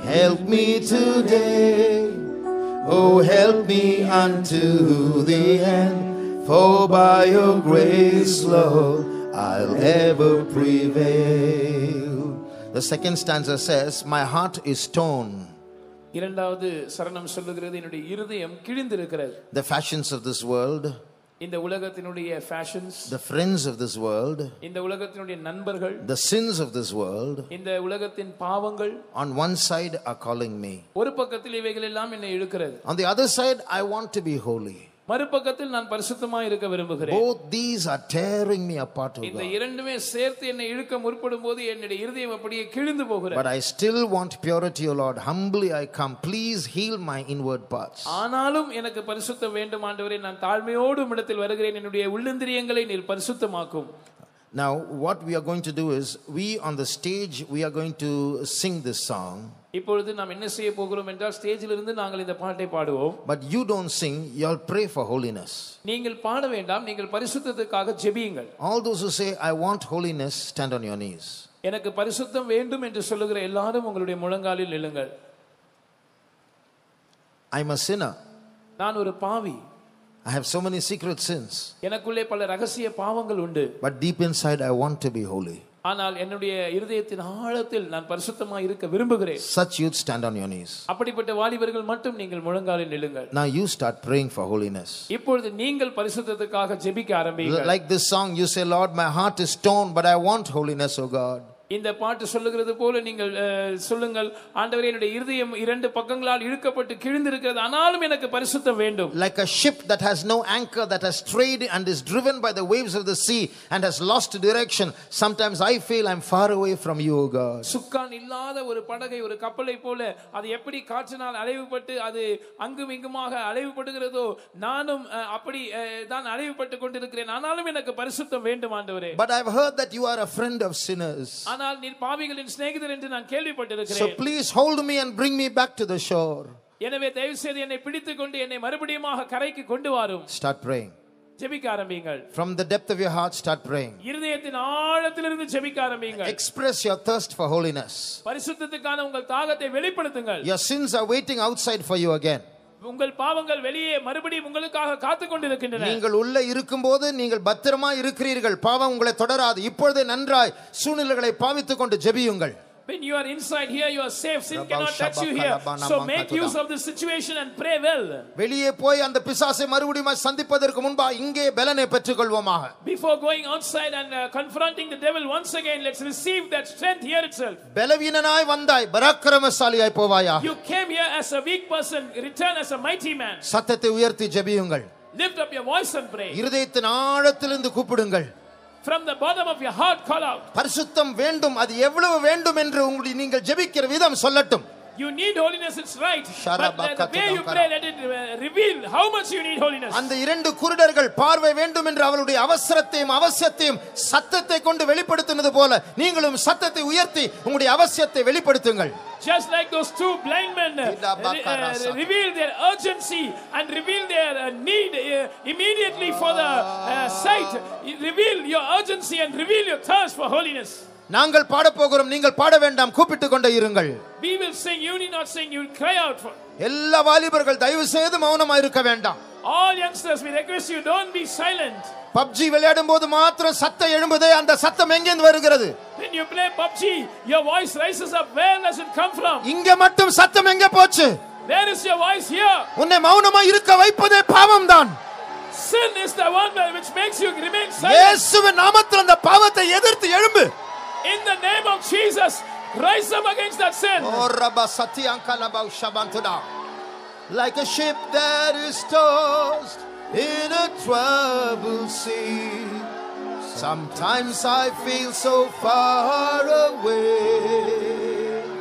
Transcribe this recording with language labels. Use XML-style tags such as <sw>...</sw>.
<en>Help me today, oh help me unto the end. For by your grace, Lord, I'll ever prevail. The second stanza says, my heart is stone.</en> <ta>இரண்டாவது சரணம் சொல்லுகிறது, என்னுடைய இதயம் கிழிந்திருக்கிறது.</ta> <en>The fashions of this world,</en> <ta>இந்த உலகத்தினுடைய fashions.</ta> <en>The friends of this world,</en> <ta>இந்த உலகத்தினுடைய நண்பர்கள்.</ta> <en>The sins of this world,</en> <ta>இந்த உலகத்தின் பாவங்கள்.</ta> <en>On one side are calling me,</en> <ta>ஒரு பக்கத்தில் இவைகள் எல்லாம் என்னை இழுக்கிறது.</ta> <en>On the other side, I want to be holy,</en> <ta>மறுபக்கத்தில் நான் பரிசுத்தமாக இருக்க விரும்புகிறேன்.</ta> <en>Both these are tearing me apart.</en> <ta>இந்த இரண்டுமே சேர்த்து என்னை இழுக்க முற்படும் போது என்னுடைய இதயம் அப்படியே கிழிந்து போகிறது.</ta> <en>But I still want purity, O Lord. Humbly I come. Please heal my inward parts.</en> <ta>ஆனாலும் எனக்கு பரிசுத்தம் வேண்டும் ஆண்டவரே. நான் தாழ்மையோடு உம்மிடத்தில் வருகிறேன். என்னுடைய உள்ளந்திரியங்களை நீர் பரிசுத்தமாக்கும்.</ta> <en>Now what we are going to do is, we on the stage, we are going to sing this song.</en> <ta>இப்பொழுது நாம் என்ன செய்ய போகிறோம் என்றால், ஸ்டேஜில் இருந்து நாங்கள் இந்த பாட்டை பாடுவோம்.</ta> <en>But you don't sing, you'll pray for holiness.</en> <ta>நீங்கள் பாட வேண்டாம், நீங்கள் பரிசுத்தத்துக்காக ஜெபியுங்கள்.</ta> <en>All those who say I want holiness, stand on your knees.</en> <ta>எனக்கு பரிசுத்தம் வேண்டும் என்று சொல்லுகிற எல்லாரும் உங்களுடைய முழங்காலில் நில்லுங்கள்.</ta> <en>I'm a sinner.</en> <ta>நான் ஒரு பாவி.</ta> <en>I have so many secret sins.</en> <ta>எனக்குள்ளே பல ரகசிய பாவங்கள் உண்டு.</ta> <en>But deep inside I want to be holy.</en> <ta>ஆனால் என்னுடைய இதயத்தின் ஆழத்தில் நான் பரிசுத்தமாய் இருக்க விரும்புகிறேன்.</ta> <en>Such youth, stand on your knees.</en> <ta>அப்படிப்பட்ட வாலிபர்கள் மட்டும் நீங்கள் முழங்காலில் நில்லுங்கள்.</ta> <en>Now you start praying for holiness.</en> <ta>இப்பொழுது நீங்கள் பரிசுத்தத்துக்காக ஜெபிக்க ஆரம்பியுங்கள்.</ta> <en>Like this song you say, Lord, my heart is stone but I want holiness, oh God.</en> <ta>இந்த பாட்டு சொல்லுகிறது போல நீங்கள் சொல்லுங்கள், ஆண்டவரே என்னுடைய இதயம் இரண்டு பக்கங்களால் இழுக்கப்பட்டு கிழிந்திருக்கிறது, ஆனாலும் எனக்கு பரிசுத்தம் வேண்டும்.</ta> <en>Like a ship that has no anchor, that has strayed and is driven by the waves of the sea and has lost direction, sometimes I feel I'm far away from you, O God.</en> <ta>சுக்கான் இல்லாத ஒரு படகை, ஒரு கப்பலை போல அது எப்படி காற்றினால் அலைவுபட்டு அது அங்கும் இங்குமாக அலைவுபடுகிறதோ, நானும் அப்படி தான் அலைவுபட்டு கொண்டிருக்கிறேன், ஆனாலும் எனக்கு பரிசுத்தம் வேண்டும் ஆண்டவரே.</ta> <en>But I've heard that you are a friend of sinners.</en> <ta>ஆனால் நீர் பாவிகளின் சிநேகிதர் என்று நான் கேள்விப்பட்டிருக்கிறேன்.</ta> <en>So please hold me and bring me back to the shore.</en> <ta>எனவே தயவு செய்து என்னை பிடித்துக் கொண்டு என்னை மறுபடியும் கரைக்கு கொண்டு வாரும்.</ta> <en>Start praying.</en> <ta>ஜெபிக்க ஆரம்பியுங்கள்.</ta> <en>From the depth of your heart, start praying.</en> <ta>இதயத்தின் ஆழத்திலிருந்து ஜெபிக்க ஆரம்பியுங்கள்.</ta> <en>Express your thirst for holiness.</en> <ta>பரிசுத்தத்துக்கான உங்கள் தாகத்தை வெளிப்படுத்துங்கள்.</ta> <en>Your sins are waiting outside for you again.</en> <ta>உங்கள் பாவங்கள் வெளியே மறுபடியும் உங்களுக்காக காத்துக் கொண்டிருக்கின்றன. நீங்கள் உள்ள இருக்கும் போது நீங்கள் பத்திரமா இருக்கிறீர்கள், பாவம் உங்களை தொடராது. இப்பொழுதே நன்றாய் சூழ்நிலைகளை பாவித்துக் கொண்டு ஜெபியுங்கள்.</ta> <en>When you are inside here, you are safe. Sin cannot touch you here. So make use of the situation and pray well.</en> <ta>வெளியே போய் அந்த பிசாசை மறுபடியும் சந்திப்பதற்கு முன்பா இங்கே பலனை பெற்றுக் கொள்வோமாக.</ta> <en>Before going outside and confronting the devil once again, let's receive that strength here itself.</en> <ta>பலவீனனாய் வந்தாய், பராக்கிரமசாலியாய் போவாயா.</ta> <en>You came here as a weak person, return as a mighty man.</en> <ta>சத்தத்தை உயர்த்தி ஜெபியுங்கள்.</ta> <en>Lift up your voice and pray.</en> <ta>இதயத்தின் ஆழத்திலிருந்து கூப்பிடுங்கள்.</ta> <en>From the bottom of your heart, call out.</en> <ta>பரிசுத்தம் வேண்டும், அது எவ்வளவு வேண்டும் என்று உங்களுக்கு நீங்கள் ஜெபிக்கிற விதம் சொல்லட்டும்.</ta> <en>You need holiness, it's right. But the way you pray, let it reveal how much you need holiness.</en> <ta>அந்த இரண்டு குருடர்கள் பார்வை வேண்டும் என்று அவருடைய அவசரத்தையும் அவசியத்தையும் சத்தத்தை கொண்டு வெளிப்படுத்தினது போல நீங்களும் சத்தத்தை உயர்த்தி உங்களுடைய அவசியத்தை வெளிப்படுத்துங்கள்.</ta> <en>Just like those two blind men reveal their urgency and reveal their need immediately for the sight. Reveal your urgency and reveal your thirst for holiness.</en> <ta>நாங்கள் பாடப்போகிறோம், நீங்கள் பாட வேண்டாம், கூப்பிட்டுக் கொண்டு இருங்கள்.</ta> <en>We will sing, you need not sing, you will cry out for.</en> <ta>எல்லா வாலிபர்கள் தயவு செய்து மௌனமாக இருக்க வேண்டாம்.</ta> <en>All youngsters, we request you, don't be silent.</en> <ta>PUBG விளையாடும் போது மாத்திரம் சத்தம் எழும்புதே, அந்த சத்தம் எங்கிருந்து வருகிறது?</ta> <en>When you play PUBG, your voice rises up. Where does it come from?</en> <ta>இங்க மட்டும் சத்தம் எங்க போச்சு?</ta> <en>Where is your voice here?</en> <ta>உன்னை மௌனமாக இருக்க வைப்பதே பாவம் தான்.</ta> <en>Sin is the one which makes you remain silent.</en> <ta>இயேசுவின் நாமத்தில் அந்த பாவத்தை எதிர்த்து எழும்பு.</ta> <en>In the name of Jesus, rise up against that sin. Oh, Rabba Sati Ankalabau Shabantuda. Like a ship that is tossed in a troubled sea, sometimes I feel so far away.</en>